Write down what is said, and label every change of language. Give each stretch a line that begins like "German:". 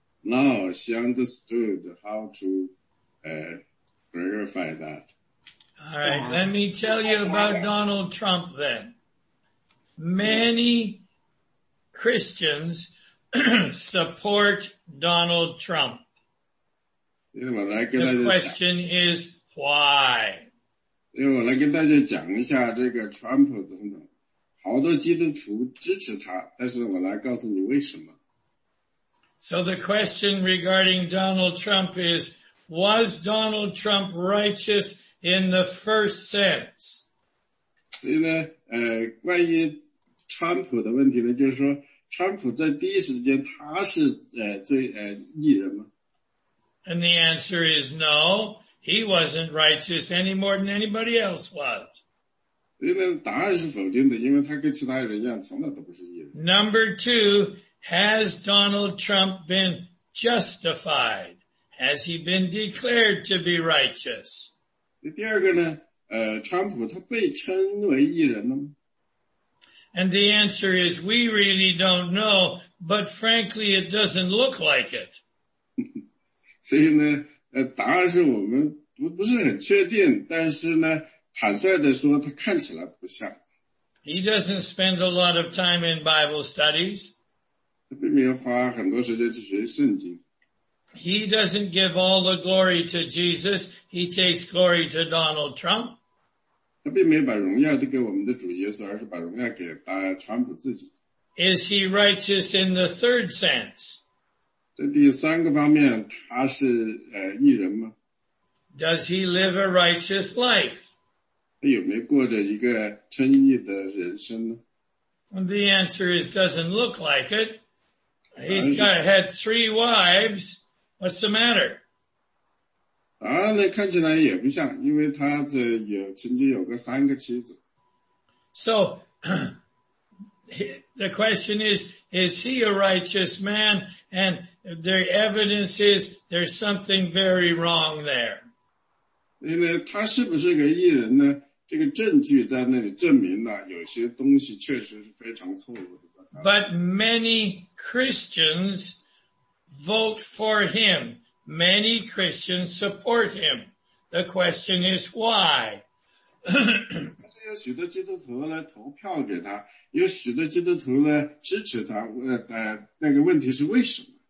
English: Now she understood how to verify that. All right, let me tell you about Donald Trump then. Many Christians support Donald Trump. The question is why?
Chinese: 因为我来跟大家讲一下这个川普总统，好多基督徒支持他，但是我来告诉你为什么。
English: So the question regarding Donald Trump is, was Donald Trump righteous in the first sense?
Chinese: 所以呢，关于川普的问题呢，就是说，川普在第一时间他是义人吗？
English: And the answer is no, he wasn't righteous any more than anybody else was.
Chinese: 所以呢，答案是否定的，因为他跟其他人一样，从来都不是义人。
English: Number two,Has Donald Trump been justified? Has he been declared to be righteous?
Chinese: 第二个呢，川普他被称为义人了吗？
English: And the answer is, we really don't know, but frankly, it doesn't look like it.
Chinese: 所以呢，答案是我们不是很确定，但是呢，坦率地说，他看起来不像。
English: He doesn't spend a lot of time in Bible studies.
Chinese: 并没有花很多时间去学圣经。
English: He doesn't give all the glory to Jesus. He takes glory to Donald Trump.
Chinese: 他并没把荣耀给我们的主耶稣，而是把荣耀给把川普自己。
English: Is he righteous in the third sense?
Chinese: 在第三个方面，他是义人吗？
English: Does he live a righteous life?
Chinese: 他有没有过着一个称义的人生呢？
English: The answer is doesn't look like it. He's had three wives. What's the matter?
Chinese: 啊，那看起来也不像，因为他这有曾经有个三个妻子。
English: So, the question is he a righteous man? And the evidence is there's something very wrong there.
Chinese: 因为他是不是个义人呢？这个证据在那里证明了有些东西确实是非常错误的。
English: But many Christians vote for him. Many Christians support him. The question is why?
Chinese: 有许多基督徒来投票给他，有许多基督徒来支持他，那个问题是为什么？